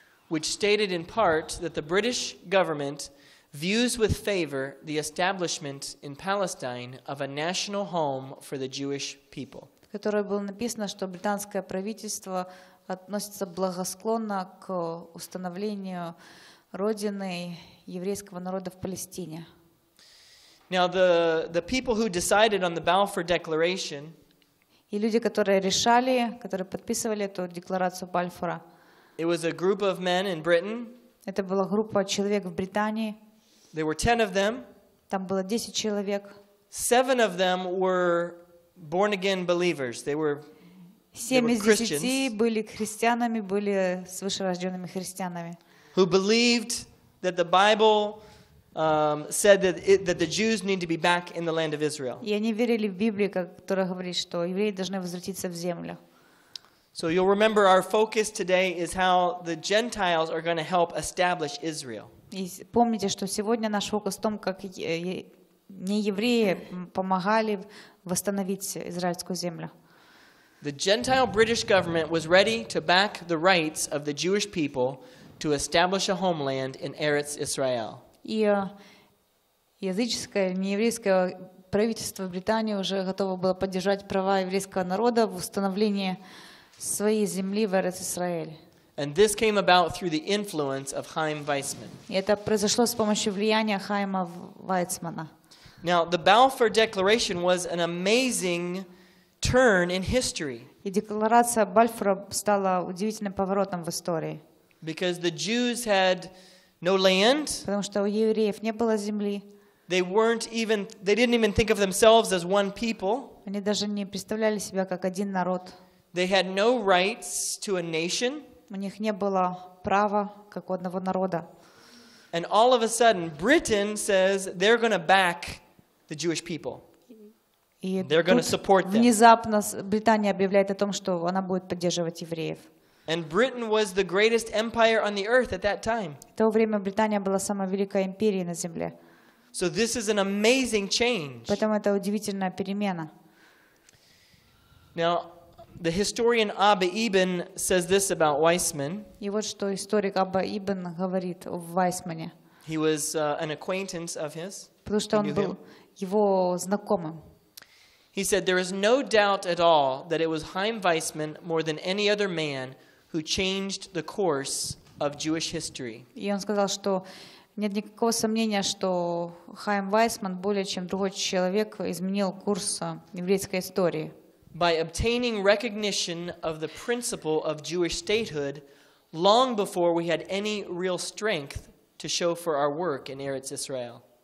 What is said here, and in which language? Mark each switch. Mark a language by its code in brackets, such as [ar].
[en] Which stated in part that the British government views with favor the establishment in Palestine of a national home for the Jewish people. [ru] В которой было написано, что британское правительство относится благосклонно к установлению родины еврейского народа в Палестине. [en] Now the people who decided on the Balfour Declaration. [ru] И люди, которые решали, которые подписывали эту декларацию Бальфура. [en] It was a group of men in Britain. [ru] Это была группа человек в Британии. [en] There were 10 of them. [ru] Там было 10 человек. [en] 7 of them were born again believers. They were Christians. [ru] 7 из 10 были христианами, были свыше рождёнными христианами. [en] Who believed that the Bible said that that the Jews need to be back in the land of Israel. [ru] И они верили в Библию, которая говорит, что евреи должны возвратиться в землю. [en] So you'll remember our focus today is how the Gentiles are going to help establish Israel. [ru] И помните, что сегодня наш фокус в том, как не евреи помогали восстановить израильскую землю. [en] The Gentile British government was ready to back the rights of the Jewish people to establish a homeland in Eretz Israel. [ru] И языческое, нееврейское правительство Британии уже готово было поддержать права еврейского народа в установлении своей земли в Эрец Исраэль. [en] And this came about through the influence of Хаим Зимерман. [ru] И это произошло с помощью влияния Хаима Зимермана. [en] Now, the Balfour Declaration was an amazing turn in history. [ru] И декларация Бальфура стала удивительным поворотом в истории. [en] Because the Jews had no land. [ru] Потому что у евреев не было земли. [en] They didn't even think of themselves as one people. [ru] Они даже не представляли себя как один народ. [en] They had no rights to a nation. [ru] У них не было права как у одного народа. [en] And all of a sudden, Britain says they're going to back the Jewish people. They're going to support them. [ru] Внезапно Британия объявляет о том, что она будет поддерживать евреев. [en] And Britain was the greatest empire on the earth at that time. [ru] В то время Британия была самой великой империей на земле. [en] So this is an amazing change. [ru] Поэтому это удивительная перемена. [en] Now, the historian Abba Ibn says this about Weissman. [ru] И вот что историк Абба Ибн говорит о Вайсмане. [en] He was an acquaintance of his. [ru] Потому что он был его знакомым. [en] He said there is no doubt at all that it was Chaim Weissman more than any other man who changed the course of Jewish history. [ru] И он сказал, что нет никакого сомнения, что Хаим Зимерман более чем другой человек изменил курс еврейской истории. [en] By obtaining recognition of the principle of Jewish statehood long before we had any real strength to show for our work in Eretz Israel.